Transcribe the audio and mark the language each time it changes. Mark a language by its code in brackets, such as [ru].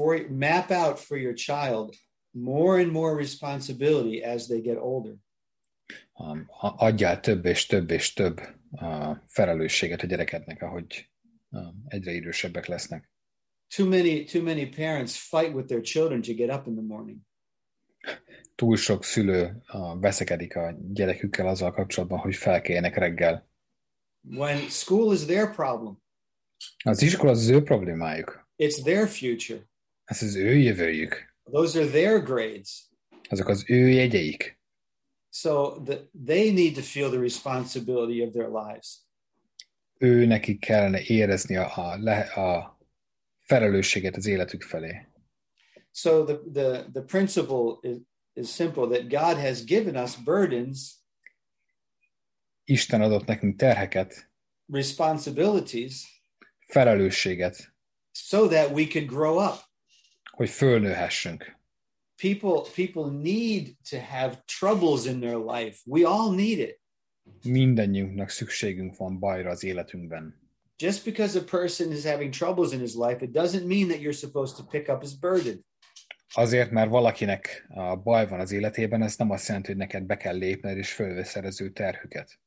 [en] Map out for your child more and more responsibility as they get older. [hu] Adjál több és több felelősséget a gyerekednek, ahogy egyre idősebbek lesznek. [en] Too many parents fight with their children to get up in the morning. [hu] Túl sok szülő veszekedik a gyerekükkel azzal kapcsolatban, hogy felkeljenek reggel. [en] When school is their problem. [hu] Az iskola az ő problémájuk. [en] It's their future. [hu] Ez az ő jövőjük. [en] Those are their grades. [hu] Azok az ő jegyeik. [en] So they need to feel the responsibility of their lives. [hu] Ő neki kellene érezni a felelősséget az életük felé. [en] So the principle is simple, that God has given us burdens. [hu] Isten adott nekünk terheket. [en] Responsibilities. [hu] Felelősséget. [en] So that we can grow up. [hu] Hogy fölnőhessünk. [en] People need to have troubles in their life. We all need it. [hu] Mindannyiunknak szükségünk van bajra az életünkben. [en] Just because a person is having troubles in his life, it doesn't mean that you're supposed to pick up his burden. [hu] Azért, mert valakinek baj van az életében, ez nem azt jelenti, hogy neked be kell lépned és fölveszed az ő terhüket.